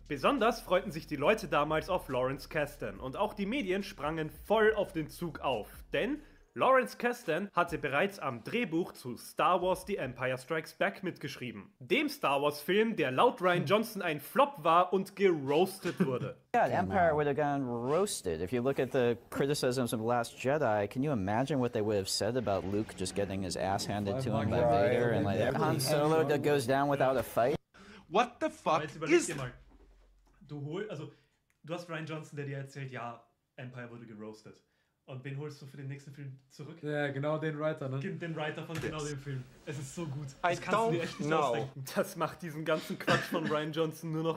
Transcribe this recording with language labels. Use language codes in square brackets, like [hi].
[de] Besonders freuten sich die Leute damals auf Lawrence Kasdan und auch die Medien sprangen voll auf den Zug auf. Denn Lawrence Kasdan hatte bereits am Drehbuch zu Star Wars The Empire Strikes Back mitgeschrieben. Dem Star Wars Film, der laut Rian Johnson ein Flop war und geroastet wurde. [en] Yeah, the Empire would have gone roasted. If you look at the criticisms of The Last Jedi, can you imagine what they would have said about Luke just getting his ass handed to him by Vader and like Han Solo that goes down without a fight? What the fuck is... [de] Du hast Rian Johnson, der dir erzählt, ja, Empire wurde geroastet. Und wen holst du für den nächsten Film zurück? Ja, genau den Writer, ne? Den Writer von genau dem Film. Es ist so gut. Das kannst du dir echt nicht ausdenken. Das macht diesen ganzen Quatsch von Rian Johnson nur noch